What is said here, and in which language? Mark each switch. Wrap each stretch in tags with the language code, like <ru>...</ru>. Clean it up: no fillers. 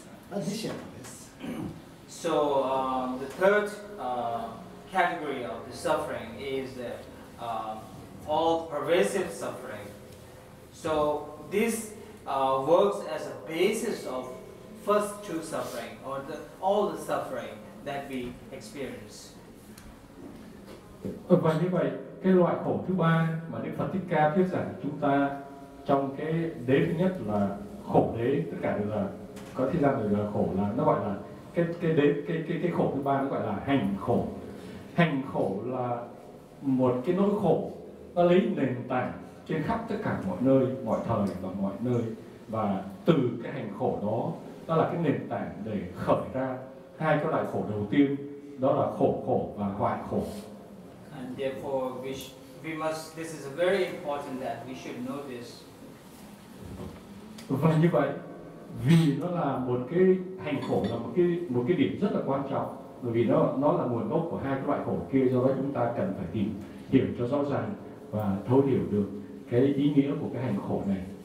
<en>So the third category of the suffering is the all pervasive suffering. So this works as a basis of first two suffering, or the all the suffering that we experience.</en> <vi>Và như vậy, cái loại khổ thứ ba mà Đức Phật Thích Ca thuyết giảng chúng ta trong cái đế thứ nhất là khổ đế, tất cả đều là có thời gian đều là khổ, là nó gọi là cái khổ thứ ba, nó gọi là hành khổ. Hành khổ là một cái nỗi khổ nó lấy nền tảng trên khắp tất cả mọi nơi, mọi thời và mọi nơi, và từ cái hành khổ đó, đó là cái nền tảng để khởi ra hai cái loại khổ đầu tiên, đó là khổ khổ và hoại khổ.</vi> <en>And therefore we must, this is a very important that we should know this.</en> <vi>Và như vậy, vì nó là một cái hành khổ, là một cái điểm rất là quan trọng, bởi vì nó là nguồn gốc của hai cái loại khổ kia, do đó chúng ta cần phải tìm hiểu cho rõ ràng và thấu hiểu được cái ý nghĩa của cái hành khổ này.</vi>